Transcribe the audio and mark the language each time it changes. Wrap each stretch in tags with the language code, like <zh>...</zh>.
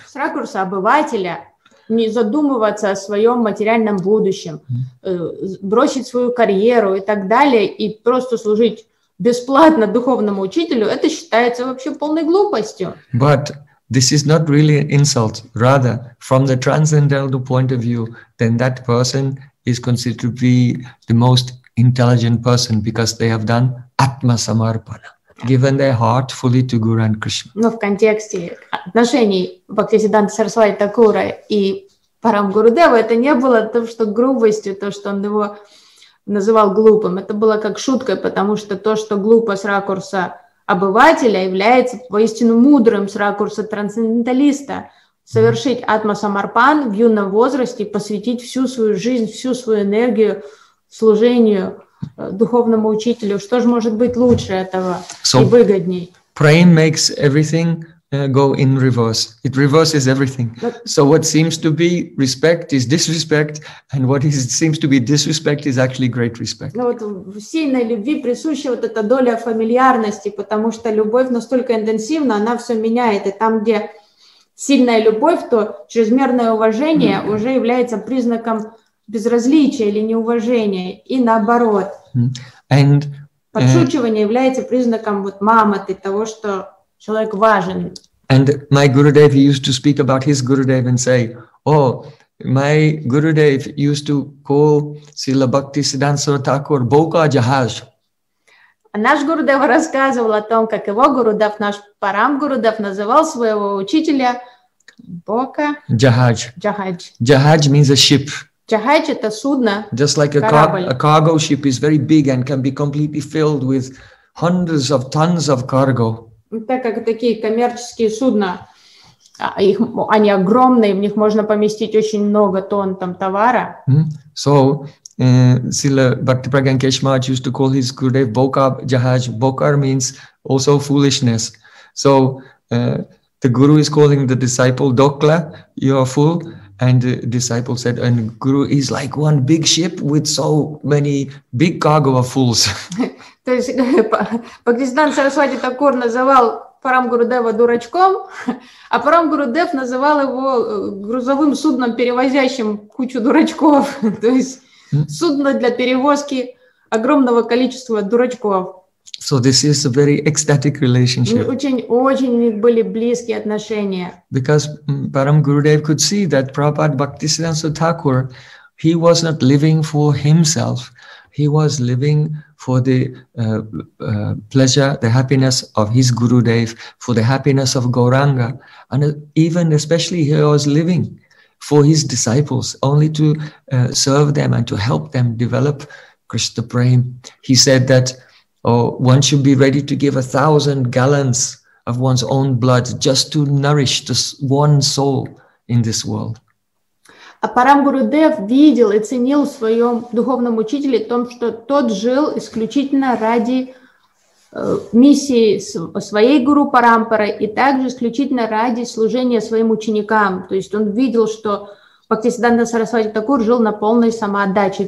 <ru>С ракурса обывателя, не задумываться о своем материальном будущем, бросить свою карьеру и так далее, и просто служить бесплатно духовному учителю, это считается вообще полной глупостью.</ru> <en>But this is not really an insult. Rather, from the transcendental point of view, then that person is considered to be the most intelligent person because they have done atma samarpana, given their heart fully to Guru and Krishna.</en> <ru>Но в контексте отношений Бхактисиддханта Сарасвати Такура и Парам Гурудева это не было то, что грубостью, то, что он его называл глупым. Это было как шуткой, потому что то, что глупо с ракурса обывателя, является воистину мудрым с ракурса трансценденталиста. Совершить атма-самарпан в юном возрасте, посвятить всю свою жизнь, всю свою энергию служению духовному учителю. Что же может быть лучше этого</ru> <en>so</en> <ru>и выгодней?</ru> <en>Prem makes everything go in reverse. It reverses everything. So what seems to be respect is disrespect, and what is, seems to be disrespect is actually great respect.</en> <ru>Но вот в сильной любви присуща вот эта доля фамильярности, потому что любовь настолько интенсивна, она все меняет. И там, где сильная любовь, то чрезмерное уважение уже является признаком безразличия или неуважения, и наоборот.</ru> <en>And</en> <ru>подшучивание является признаком вот мамоты, того, что человек важен.</ru> <en>And my Gurudev used to speak about his Gurudev and say, oh, my Gurudev used to call Srila Bhaktisiddhanta Sarasvati Thakur Boka Jahaj.</en> <ru>Наш Гурудев рассказывал о том, как его Гурудев, наш Парам Гурудев, называл своего учителя Бока. Джахадж. Джахадж.</ru> <en>Джахадж means a ship.</en> <ru>Джахадж — это судно.</ru> <en>Just like a cargo ship is very big and can be completely filled with hundreds of tons of cargo.</en> <ru>Так как такие коммерческие судна, их, они огромные, в них можно поместить очень много тонн там товара.</ru> <en>Mm-hmm. So Srila Bhakti Pragyan Keshmaj used to call his Gurudev Bokar Jahaj. Bokar means also foolishness. So the Guru is calling the disciple Dokla, you are fool. And the disciple said, and Guru is like one big ship with so many big cargo of fools.</en> <ru>То есть Бхактисиддханта Сарасвати Такур называл Парам Гурудева дурачком, а Парам Гурудев называл его грузовым судном, перевозящим кучу дурачков. То есть судно для перевозки огромного количества дурачков.</ru> <en>So this is a very ecstatic relationship.</en> <ru>Очень-очень у них были близкие отношения.</ru> <en>Because Param Gurudev could see that Prabhupada Bhaktisiddhanta Thakur, he was not living for himself. He was living for the pleasure, the happiness of his Gurudev, for the happiness of Gauranga. And even especially he was living for his disciples, only to serve them and to help them develop Krishna Prem. He said that Oh, one should be ready to give 1,000 gallons of one's own blood just to nourish this one soul in this world.</en> <ru>А Парамгурудев видел и ценил в своем духовном учителе том, что тот жил исключительно ради миссии своей гуру Парампары и также исключительно ради служения своим ученикам. То есть он видел, что Бхактисиддханта Сарасвати Такур жил на полной самоотдаче.</ru>